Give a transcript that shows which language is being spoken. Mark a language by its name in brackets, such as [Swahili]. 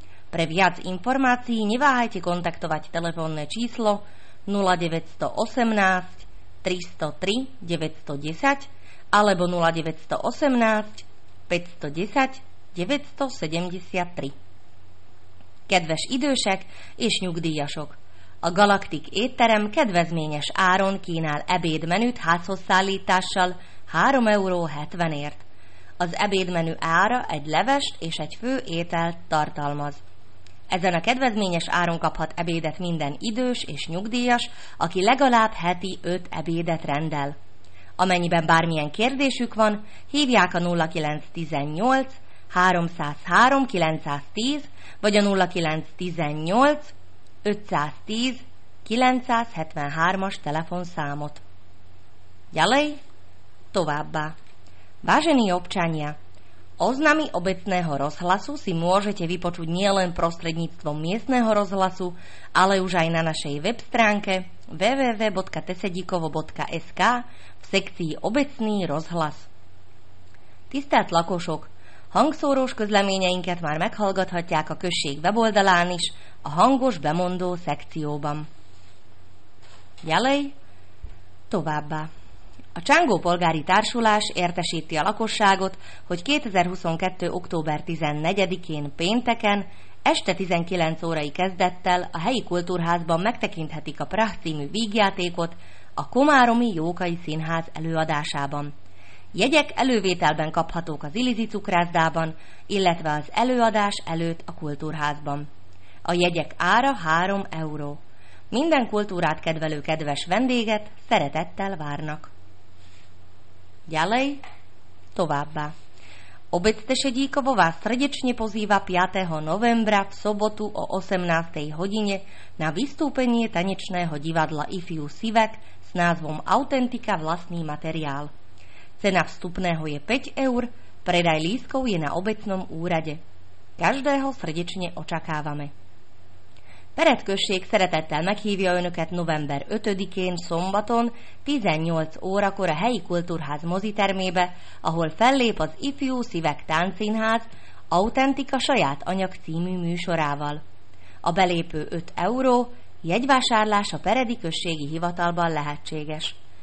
[Slovak] Pre viac informácií neváhajte kontaktovať telefónne číslo 0918 303 910 alebo 0918 510 973. [Hungarian] Kedves idősek és nyugdíjasok! A Galaktik étterem kedvezményes áron kínál ebédmenüt házhoz szállítással 3,70 €. Az ebédmenü ára egy levest és egy fő ételt tartalmaz. Ezen a kedvezményes áron kaphat ebédet minden idős és nyugdíjas, aki legalább heti 5 ebédet rendel. Amennyiben bármilyen kérdésük van, hívják a 0918 303 910 vagy a 0918 510 973-as telefonszámot. [Slovak] Ďalej, továbbá. Vážení občania, oznamy obecného rozhlasu si môžete vypočuť nielen prostredníctvom miestneho rozhlasu, ale už aj na našej web stránke www.tesedikovo.sk v sekcii Obecný rozhlas. [Hungarian] Tisztelt lakosok, hangszórós közleményeinket már meghallgathatják a község weboldalán is, a hangos bemondó szekcióban. Ďalej, továbbá. A Csángó Polgári Társulás értesíti a lakosságot, hogy 2022. október 14-én pénteken este 19 órai kezdettel a helyi kultúrházban megtekinthetik a Prah című vígjátékot a Komáromi Jókai Színház előadásában. Jegyek elővételben kaphatók az Ilizi cukrászdában, illetve az előadás előtt a kultúrházban. A jegyek ára 3 euró. Minden kultúrát kedvelő kedves vendéget szeretettel várnak. Ďalej, továbbá. [Slovak] Obec Tešedíkovo vás srdečne pozýva 5. novembra v sobotu o 18. hodine na vystúpenie tanečného divadla IFIU Sivek s názvom Autentika vlastný materiál. Cena vstupného je 5 eur, predaj lístkov je na obecnom úrade. Každého srdečne očakávame. [Hungarian] Peret község szeretettel meghívja önöket november 5-én szombaton 18 órakor a helyi kultúrház mozitermébe, ahol fellép az IFIU Szívek Táncszínház Autentika saját anyag című műsorával. A belépő 5 euró, jegyvásárlás a peredi községi hivatalban lehetséges.